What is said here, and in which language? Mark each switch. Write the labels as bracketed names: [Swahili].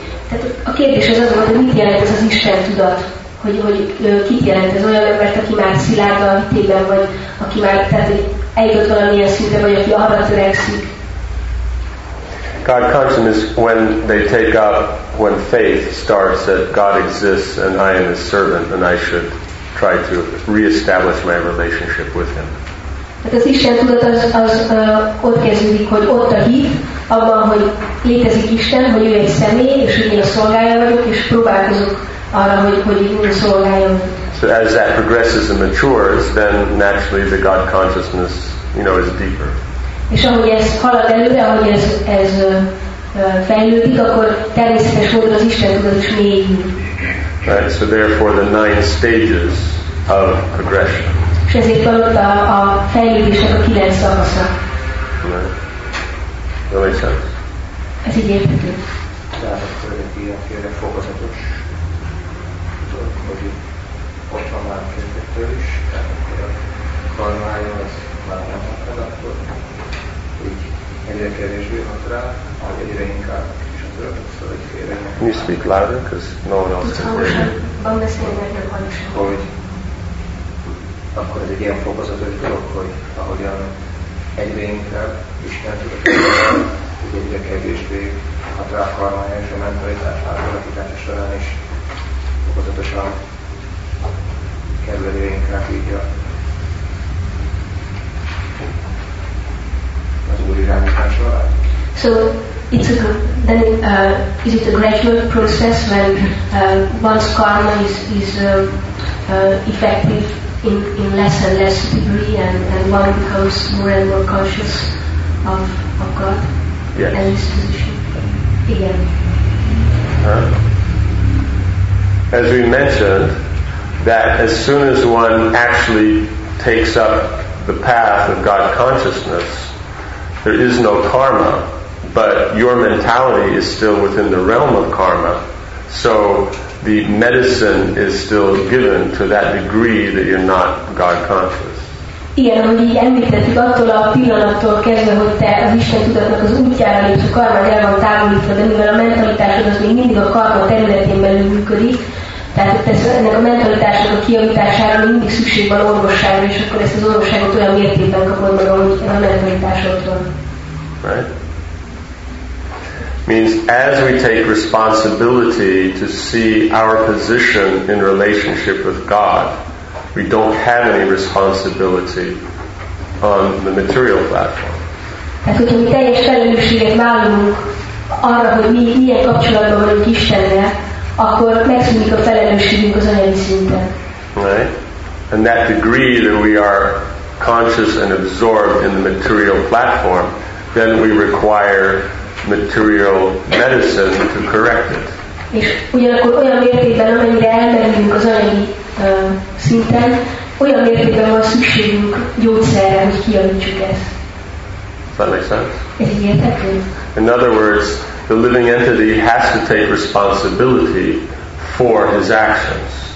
[Hungarian] Tehát a kérdés az, hogy mit jelent ez az Isten tudat? Hogy kit jelent ez? Olyan embert, aki már szilárd a hitében, vagy aki már eljutott valamilyen szintre, vagy aki arra törekszik. [English] God consciousness, when they take up, when faith starts that God exists and I am his servant and I should try to reestablish my relationship with him. [Hungarian] Tehát az Isten tudat az ott kezdődik, hogy ott a hit, abban, hogy létezik Isten, hogy ő egy személy, és hogy én a szolgája vagyok, és próbálkozok arra, hogy én szolgáljam. [English] So as that progresses and matures, then naturally the God consciousness, you know, is deeper. [Hungarian] És ahogy ez halad előre, ahogy ez fejlődik, akkor természetes módon az Isten tudat is mélyül. [English] Right, so therefore the nine stages of progression. [Hungarian] És ezért van ott a fejlődésnek a kilenc szakasza. Jó, egy szám. Ez így érthető. Tehát akkor egy ilyen félre fokozatos dolog, hogy ott van már kezdettől is, tehát akkor a karmája az már nem hatad, akkor így egyre kevésbé hat rá, vagy egyre inkább is a dolog, szóval egy félre. [English] Can you speak louder? Because no one else can hear you. [Hungarian] Van beszélni, hogy van is. Hogy akkor ez egy ilyen fokozatos dolog, hogy ahogyan egyre inkább Isten tudatában, hogy egyre kevésbé a trákkalmány és a mentalitás átalakítása során is fokozatosan kerül inkább így az úr irányítása alá. [English] So, it's a, then, is it a gradual process when once karma is effective in less and less degree and one becomes more and more conscious of God? Yes. And his position. Again. As we mentioned, that as soon as one actually takes up the path of God consciousness, there is no karma, but your mentality is still within the realm of karma, so the medicine is still given to that degree that you're not God conscious. [Hungarian] Igen, ahogy így említettük, attól a pillanattól kezdve, hogy te az Isten tudatnak az útjára lépsz, a karmád el van távolítva, de mivel a mentalitásod az még mindig a karma területén belül működik, tehát ennek a mentalitásnak a kiavítására mindig szükség van orvosságra, és akkor ezt az orvosságot olyan mértékben kapod meg, ahogy a mentalitásodtól. [English] Means as we take responsibility to see our position in relationship with God, we don't have any responsibility on the material platform. [Hungarian] Tehát, hogyha mi teljes felelősséget vállalunk arra, hogy mi milyen kapcsolatban vagyunk Istennel, akkor megszűnik a felelősségünk az anyagi szinten. [English] Right? And that degree that we are conscious and absorbed in the material platform, then we require material medicine to correct it. [Hungarian] És ugyanakkor olyan mértékben, amennyire elmerülünk az anyagi szinten, olyan mértékben van szükségünk gyógyszerre, hogy kijavítsuk ezt. [English] Does that make sense? In other words, the living entity has to take responsibility for his actions.